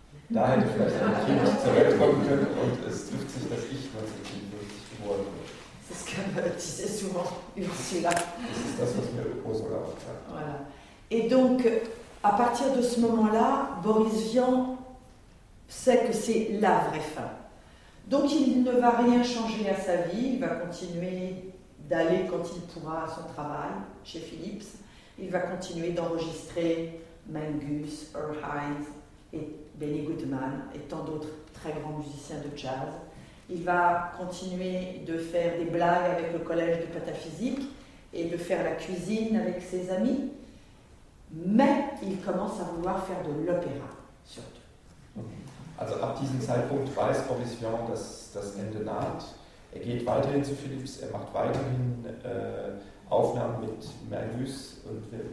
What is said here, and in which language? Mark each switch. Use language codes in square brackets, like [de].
[de] Da hätte vielleicht ein Kind zur Welt kommen können, und es trifft sich, dass ich 1957 geboren bin. [fr] C'est ce que disait souvent Ursula. [de] Das ist das, was mir Ursula auch sagt. [fr] Voilà. Et donc, à partir de ce moment-là, Boris Vian sait que c'est la vraie fin. Donc il ne va rien changer à sa vie, il va continuer d'aller quand il pourra à son travail chez Philips, il va continuer d'enregistrer Mangus, Earl Hines et Benny Goodman et tant d'autres très grands musiciens de jazz. Il va continuer de faire des blagues avec le collège de pataphysique et de faire la cuisine avec ses amis, mais il commence à vouloir faire de l'opéra surtout. [de] Also ab diesem Zeitpunkt weiß Boris Vian, dass das Ende naht. Er geht weiterhin zu Philips, er macht weiterhin Aufnahmen mit Mangus und